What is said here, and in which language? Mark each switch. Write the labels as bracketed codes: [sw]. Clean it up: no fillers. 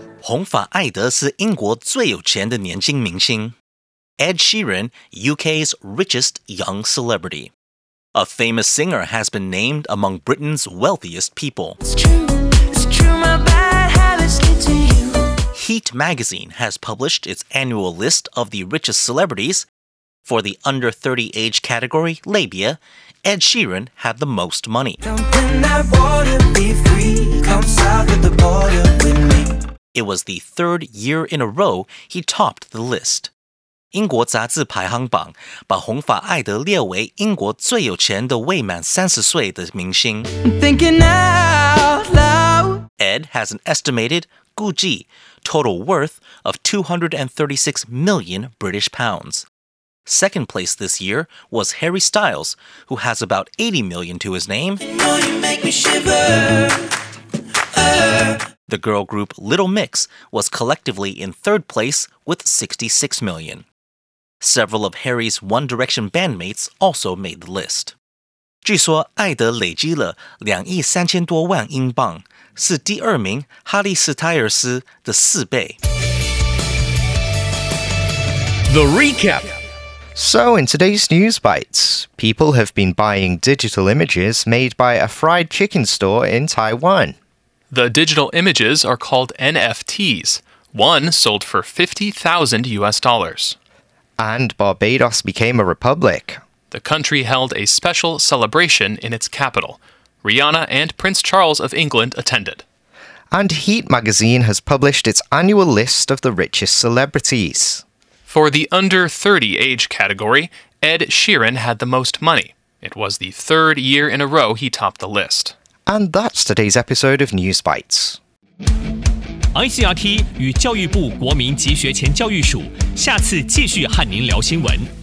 [zh] 红发艾德是英国最有钱的年轻明星。 [en] Ed Sheeran, UK's richest young celebrity. A famous singer has been named among Britain's wealthiest people. It's true, my bad habits get to you. Heat magazine has published its annual list of the richest celebrities. For the under 30 age category, [zh] 类别, [en] Ed Sheeran had the most money. It was the third year in a row he topped the list. [zh] 英国杂志排行榜把红发艾德列为英国最有钱的未满30岁的明星。 [en] Ed has an estimated, [zh] 估计, [en] total worth of 236 million British pounds. Second place this year was Harry Styles, who has about 80 million to his name. You know you make me The girl group Little Mix was collectively in third place with 66 million. Several of Harry's One Direction bandmates also made the list. [zh] 据说艾德累积了2亿3千多万英镑，是第二名哈利斯泰尔斯的四倍。 [en] The recap. So in today's news bites, people have been buying digital images made by a fried chicken store in Taiwan. The digital images are called NFTs. One sold for $50,000. And Barbados became a republic. The country held a special celebration in its capital. Rihanna and Prince Charles of England attended. And Heat magazine has published its annual list of the richest celebrities. For the under 30 age category, Ed Sheeran had the most money. It was the third year in a row he topped the list. And that's today's episode of News Bites. [zh] ICRT 与教育部国民及学前教育署下次继续和您聊新闻。